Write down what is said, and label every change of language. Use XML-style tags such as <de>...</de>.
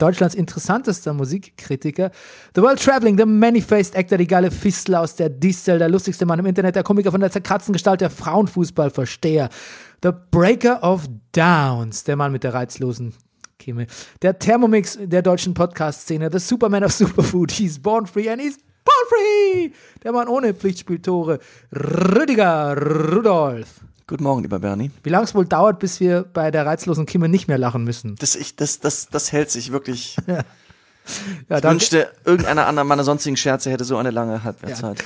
<de>Deutschlands interessantester Musikkritiker.</de> <en>The World Traveling, the Many-Faced Actor,</en> <de>die geile Fistel aus der Distel, der lustigste Mann im Internet, der Komiker von der zerkratzten Gestalt, der Frauenfußballversteher.</de> <en>The Breaker of Downs,</en> <de>der Mann mit der reizlosen Kimme. Der Thermomix der deutschen Podcast-Szene.</de> <en>The Superman of Superfood, he's born free and he's born free.</en> <de>Der Mann ohne Pflichtspieltore, Rüdiger Rudolf. Guten Morgen, lieber Bernie. Wie lange es wohl dauert, bis wir bei der reizlosen Kimme nicht mehr lachen müssen? Das hält sich wirklich. Ja, ich wünschte, irgendeiner anderer meiner sonstigen Scherze hätte so eine lange Halbwertszeit.</de>